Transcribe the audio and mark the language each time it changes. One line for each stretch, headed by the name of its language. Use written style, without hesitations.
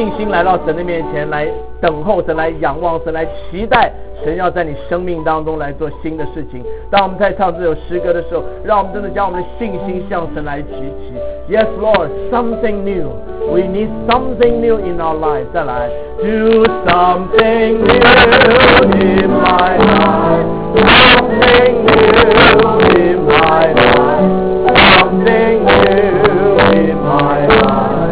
Chinese: 来到神的面前，来等候神，来仰望神，来期待神要在你生命当中来做新的事情。当我们在唱这首诗歌的时候，让我们真的将我们的信心向神来举起。
English: Yes Lord, something new. We need something new in our life.
Chinese: 再来。
English: Do something new in my life. Something new in my life. Something new in my life